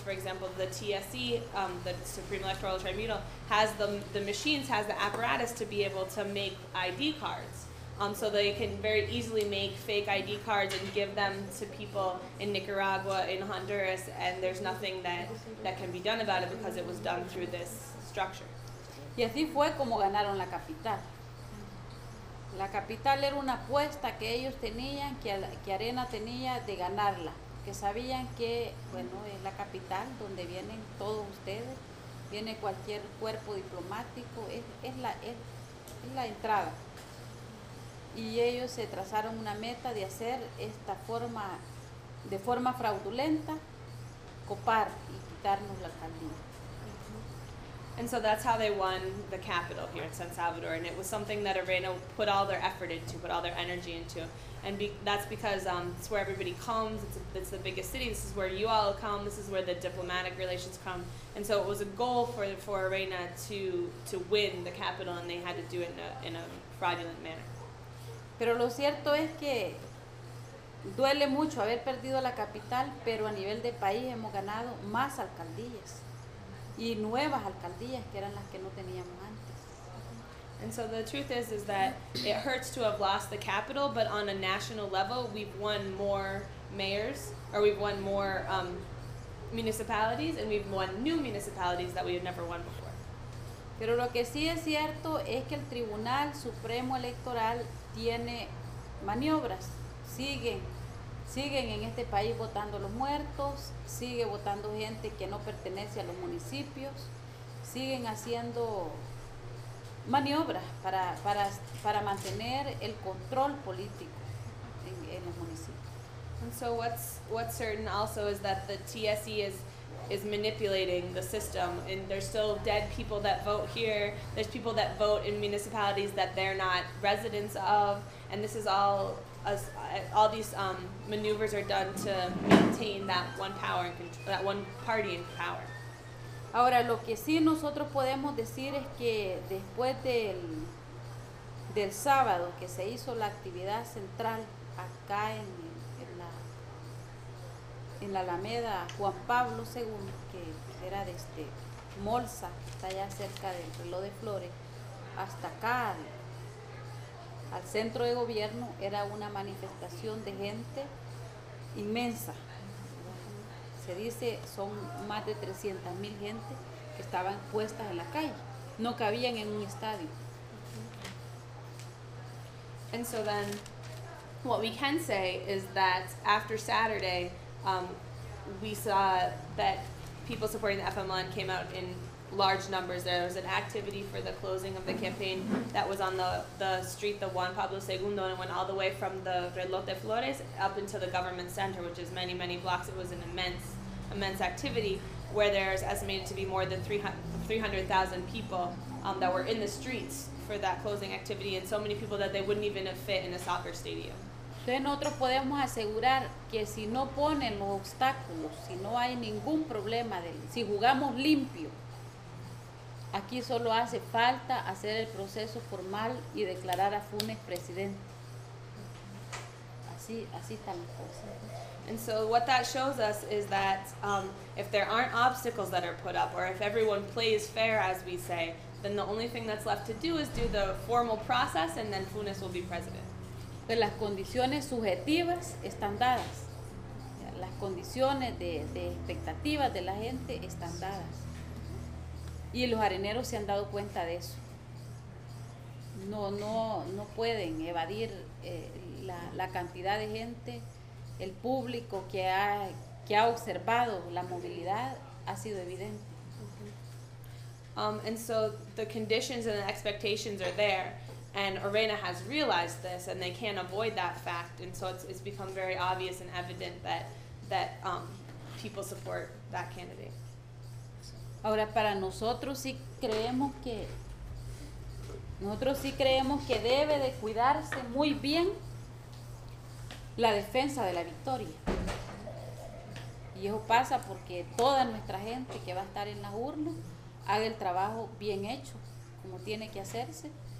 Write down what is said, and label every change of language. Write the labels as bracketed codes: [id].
[en] For example, the TSE, the Supreme Electoral Tribunal, has the machines, has the apparatus to be able to make ID cards. So they can very easily make fake ID cards and give them to people in Nicaragua, in Honduras, and there's nothing that can be done about it because it was done through this structure. [es] Y así fue como ganaron la capital. La capital era una apuesta que ellos tenían, que Arena tenía de ganarla, que sabían que, bueno, es la capital donde vienen todos ustedes, viene cualquier cuerpo diplomático, es la entrada. Y ellos se trazaron una meta de hacer esta forma, de forma fraudulenta, copar y quitarnos la alcaldía. [en] And so that's how they won the capital here in San Salvador, and it was something that Arena put all their effort into, put all their energy into, and that's because it's where everybody comes, it's the biggest city, this is where you all come, this is where the diplomatic relations come, and so it was a goal for Arena to win the capital, and they had to do it in a fraudulent manner. [es] Pero lo cierto es que duele mucho haber perdido la capital, pero a nivel de país hemos ganado más alcaldías. Y nuevas alcaldías que eran las que no teníamos antes. [en] And so the truth is that it hurts to have lost the capital, but on a national level we've won more mayors, or we've won more municipalities, and we've won new municipalities that we had never won before. [es] Pero lo que sí es cierto es que el Tribunal Supremo Electoral tiene maniobras, siguen en este país votando los muertos, sigue votando gente que no pertenece a los municipios, siguen haciendo maniobras para mantener el control político en los municipios. [en] And so what's certain also is that the TSE is manipulating the system, and there's still dead people that vote here, there's people that vote in municipalities that they're not residents of, and this is all these maneuvers are done to maintain that one power, that one party in power. [es] Ahora, lo que sí nosotros podemos decir es que después del sábado que se hizo la actividad central acá en la Alameda Juan Pablo II, que era desde Molsa, que está allá cerca del reloj de flores, hasta acá, al centro de gobierno, era una manifestación de gente inmensa. Se dice son más de 300,000 gente que estaban puestas en la calle. No cabían en un estadio. [en] And so then, what we can say is that after Saturday, we saw that people supporting the FMLN came out in large numbers. There was an activity for the closing of the campaign that was on the street, the Juan Pablo II, and went all the way from the Reloj de Flores up into the government center, which is many, many blocks. It was an immense, immense activity where there's estimated to be more than 300,000 people that were in the streets for that closing activity, and so many people that they wouldn't even have fit in a soccer stadium. [es] Entonces nosotros podemos asegurar que si no ponen los obstáculos, si no hay ningún problema, si jugamos limpio, aquí solo hace falta hacer el proceso formal y declarar a Funes presidente. Así están las cosas. [en] And so what that shows us is that if there aren't obstacles that are put up, or if everyone plays fair, as we say, then the only thing that's left to do is do the formal process, and then Funes will be president. [es] pero las condiciones subjetivas están dadas. Las condiciones de expectativas de la gente están dadas. Y los areneros se han dado cuenta de eso. No pueden evadir la cantidad de gente, el público que ha observado la movilidad ha sido evidente. [en] And so the conditions and the expectations are there, and Arena has realized this, and they can't avoid that fact, and so it's become very obvious and evident that people support that candidate. [es] Ahora para nosotros sí creemos que debe de cuidarse muy bien la defensa de la victoria. Y eso pasa porque toda nuestra gente que va a estar en las urnas haga el trabajo bien hecho, como tiene que hacerse.